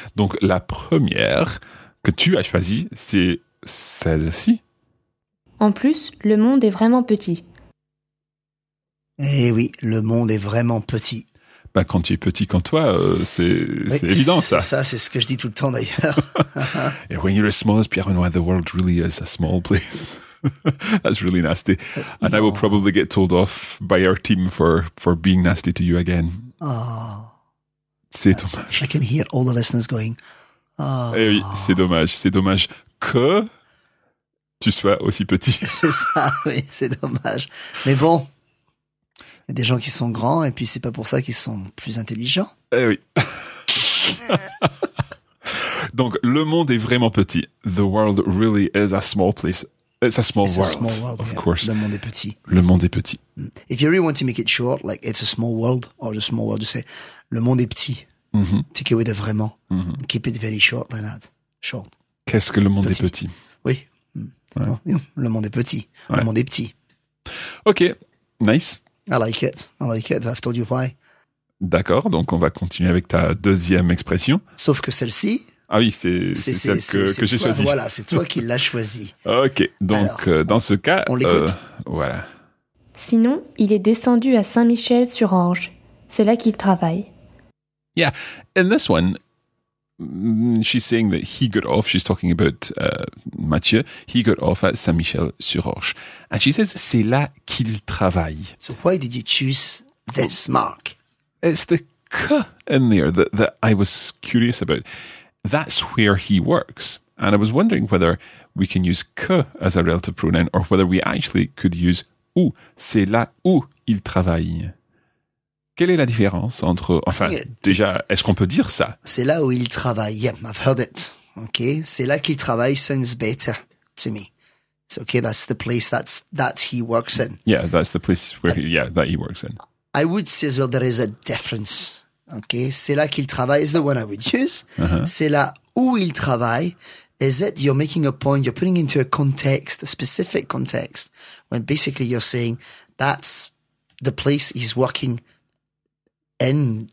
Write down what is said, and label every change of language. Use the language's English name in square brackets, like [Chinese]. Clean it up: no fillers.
[French] Donc, la première que tu as choisie, c'est celle-ci. En plus, le monde est vraiment petit. Eh oui, le monde est vraiment petit. Ben, quand tu es petit comme toi, c'est oui. Évident, ça. Ça, c'est ce que je dis tout le temps, d'ailleurs. [English] Et when you're as small as Pierre-Renoir, the world really is a small place. That's really nasty. And no. I will probably get told off by our team for being nasty to you again. Oh. [French] C'est dommage. [English] I can hear all the listeners going, oh. [French] Eh oui, c'est dommage. C'est dommage que tu sois aussi petit. C'est ça, oui, c'est dommage. Mais bon, il y a des gens qui sont grands et puis c'est pas pour ça qu'ils sont plus intelligents. Eh oui. Donc, le monde est vraiment petit. [English] The world really is a small place. It's a small it's world. It's a small world, of yeah. course. [French] Le monde est petit. Le monde est petit. [English] If you really want to make it short, like it's a small world or the small world, you say, [French] le monde est petit. [English] Mm-hmm. Take away the vraiment. Mm-hmm. Keep it very short like that. Short. [French] Qu'est-ce que le monde petit. Est petit? Oui. Ouais. Bon, le monde est petit. Ouais. Le monde est petit. [English] OK. Nice. I like it. I've told you why. [French] D'accord. Donc, on va continuer avec ta deuxième expression. Sauf que celle-ci... Ah oui, c'est celle que j'ai choisie. Voilà, c'est toi qui l'as choisie. Ok, donc alors, dans ce cas... On l'écoute. Voilà. Sinon, il est descendu à Saint-Michel-sur-Orge. C'est là qu'il travaille. [English] Yeah, in this one, she's saying that he got off. She's talking about Mathieu. He got off at Saint-Michel-sur-Orge. And she says, [French] c'est là qu'il travaille. [English] So why did you choose this mark? It's the K in there that I was curious about. That's where he works. And I was wondering whether we can use que as a relative pronoun or whether we actually could use où. [French] C'est là où il travaille. Quelle est la différence entre... Enfin, déjà, est-ce qu'on peut dire ça? C'est là où il travaille. [English] Yep, I've heard it. Okay. [French] C'est là qu'il travaille [English] sounds better to me. So, okay, that's the place that he works in. Yeah, that's the place where that he works in. I would say as well there is a difference. Okay, [French] c'est là qu'il travaille [English] is the one I would use. Uh-huh. [French] C'est là où il travaille. [English] Is it you're making a point, you're putting into a context, a specific context, when basically you're saying that's the place he's working in